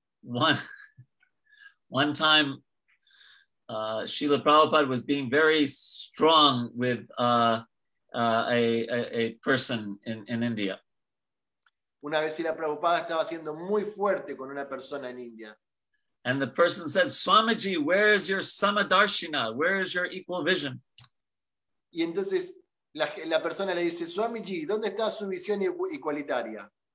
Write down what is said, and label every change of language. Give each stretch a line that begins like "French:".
English: One time, Srila Prabhupada was being very strong with a person in India.
Spanish: Una vez Srila Prabhupada estaba siendo muy fuerte con una persona en India.
English: And the person said, Swamiji, where is your samadarshina? Where is your equal vision?
Spanish: Y entonces la persona le dice, Swamiji, ¿dónde está su visión igualitaria?